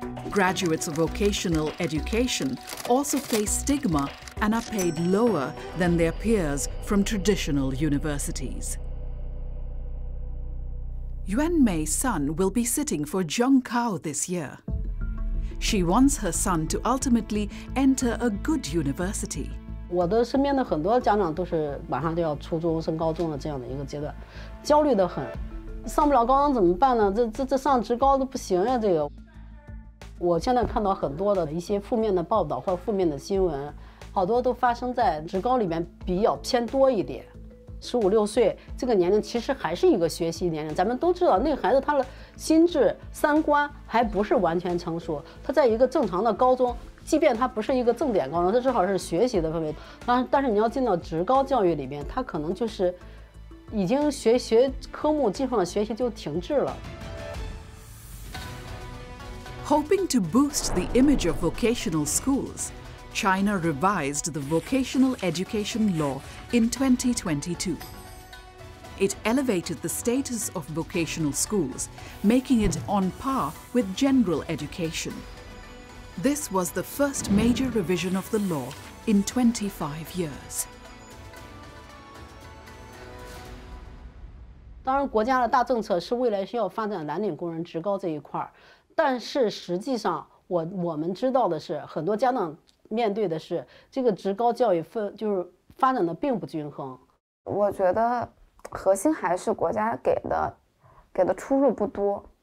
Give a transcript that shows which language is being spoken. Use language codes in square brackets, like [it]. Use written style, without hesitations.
[en] graduates of vocational education also face stigma and are paid lower than their peers from traditional universities. Yuan Mei's son will be sitting for Zhongkao this year. She wants her son to ultimately enter a good university. [zh] 我的身边的很多家长都是马上就要初中升高中的这样的一个阶段，焦虑得很，上不了高中怎么办呢？这上职高都不行呀，这个。我现在看到很多的一些负面的报道或者负面的新闻，好多都发生在职高里面比较偏多一点。十五六岁这个年龄其实还是一个学习年龄，咱们都知道那个孩子他的心智三观还不是完全成熟，他在一个正常的高中，即便他不是一个重点高中，他至少是学习的范围，但是你要进到职高教育里面，他可能就是已经学科目进入了学习就停滞了。 [en] Hoping to boost the image of vocational schools, China revised the vocational education law in 2022. It elevated the status of vocational schools, making it on par with general education. This was the first major revision of the law in 25 years. [zh] 当然，国家的大政策是未来是要发展蓝领工人职高这一块儿，但是实际上我们知道的是，很多家长面对的是这个职高教育发展的并不均衡。我觉得核心还是国家给的出入不多。